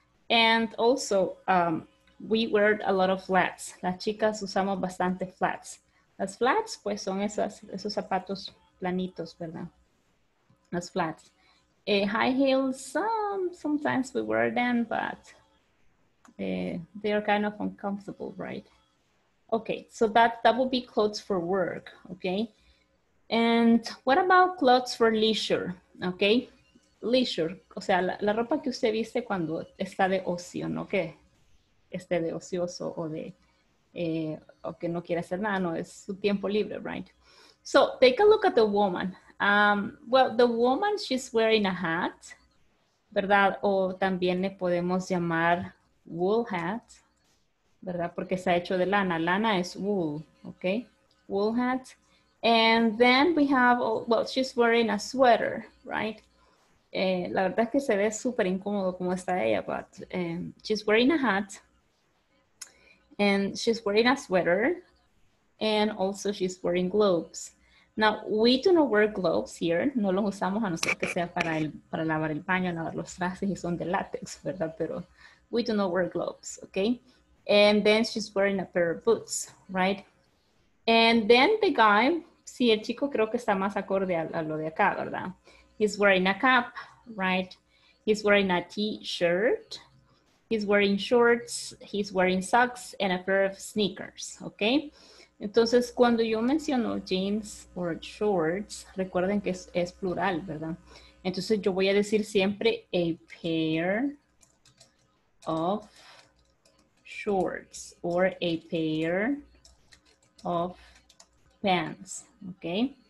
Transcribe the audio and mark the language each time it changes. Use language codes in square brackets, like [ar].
[en] And also, we wear a lot of flats. [es] Las chicas usamos bastante flats. Las flats, pues, son esos zapatos planitos, ¿verdad? Las flats. [en] High heels, sometimes we wear them, but they are kind of uncomfortable, right? Okay, so that would be clothes for work, okay? And what about clothes for leisure, okay? [es] Leisure, o sea, la ropa que usted viste cuando está de ocio, ¿no? Que esté de ocioso o de, o que no quiere hacer nada, no, es su tiempo libre, right? [en] So, take a look at the woman. Well, the woman, she's wearing a hat, ¿verdad? [es] O también le podemos llamar wool hat, ¿verdad? Porque está hecho de lana. Lana es wool, okay? Wool hat. [en] And then we have, well, she's wearing a sweater, right? [es] La verdad es que se ve súper incómodo como está ella, [en] but she's wearing a hat. And she's wearing a sweater. And also she's wearing gloves. Now, we do not wear gloves here. [es] No los usamos a no ser que sea para lavar el baño, lavar los trastes y son de látex, ¿verdad? Pero [en] we do not wear gloves, okay? And then she's wearing a pair of boots, right? And then the guy, [es] sí, el chico creo que está más acorde a lo de acá, ¿verdad? [en] He's wearing a cap, right? He's wearing a t-shirt. He's wearing shorts. He's wearing socks and a pair of sneakers, okay? [es] Entonces, cuando yo menciono jeans or shorts, recuerden que es plural, ¿verdad? Entonces, yo voy a decir siempre [en] a pair of shorts or a pair of pants, [es] ¿ok?